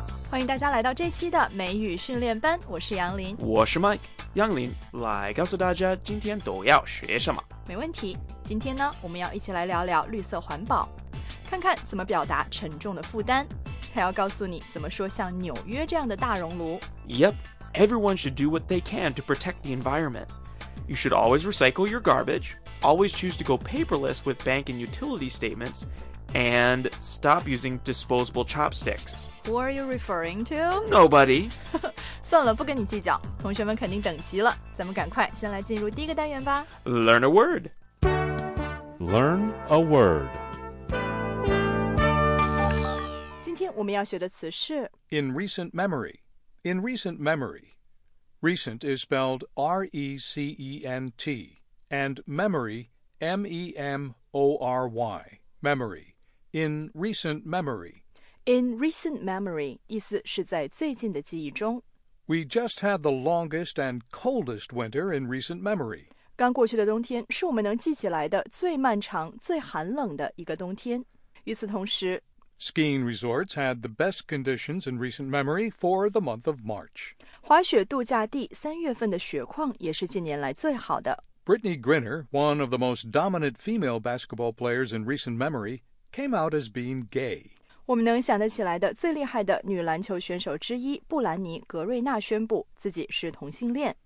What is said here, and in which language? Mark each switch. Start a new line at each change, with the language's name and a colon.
Chinese: 欢迎大家来到这期的美语训练班，我是杨林，我是 Mike。杨林，来告诉大家今天都要学什么。没问题，今天呢，我们要一起来聊聊绿色环保，看看怎么表达沉重的负担，还要告诉你怎么说像纽约这样的大熔炉。
English: Yep, everyone should do what they can to protect the environment. You should always recycle your garbage, always choose to go paperless with bank and utility statements,And stop using disposable chopsticks. Who are you referring to? Nobody.
Chinese: 算了，不跟你计较。同学们肯定等急了，咱们赶快先来进入第一个单元吧。
English: Learn a word. Learn a word.
Chinese: 今天我们要学的词是
English: In recent memory. In recent memory. Recent is spelled R-E-C-E-N-T. And memory, M-E-M-O-R-Y. Memory. In recent memory. In recent memory,
Chinese: 意思是在最近的记忆中。
English: We just had the longest and coldest winter in recent memory.
Chinese: 刚过去的冬天是我们能记起来的最漫长、最寒冷的一个冬天。与此同时
English: Skiing resorts had the best conditions in recent memory for the month of March.
Chinese: 滑雪度假地三月份的雪况也是近年来最好的。
English: Brittany Griner, one of the most dominant female basketball players in recent memory,came out as being gay.
Chinese: 我们能想得起来的最厉害的女篮球选手之一布兰妮·格瑞纳宣布自己是同性恋。